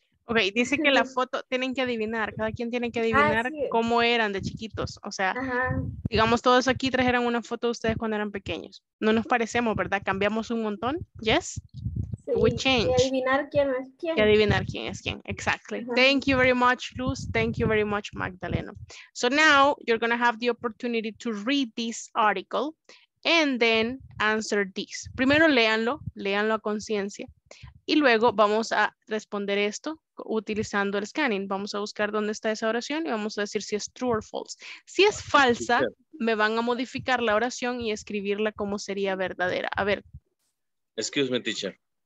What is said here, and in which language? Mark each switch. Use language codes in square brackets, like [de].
[es] Ok, dice que la foto, tienen que adivinar, cada quien tiene que adivinar cómo eran de chiquitos. O sea, digamos todos aquí trajeron una foto de ustedes cuando eran pequeños. No nos parecemos, ¿verdad? Cambiamos un montón. ¿Yes? Sí, [en] we change. [es] Y adivinar quién es quién. Y adivinar quién es quién, [en] exactly. Thank you very much, Luz. Thank you very much, Magdalena. So now you're going to have the opportunity to read this article and then answer this. [es] Primero léanlo, léanlo a conciencia. Y luego vamos a responder esto utilizando el scanning. Vamos a buscar dónde está esa oración y vamos a decir si es [en] true or false. [es] Si es falsa, me van a modificar la oración y escribirla como sería verdadera. A ver. [en] Excuse me, teacher.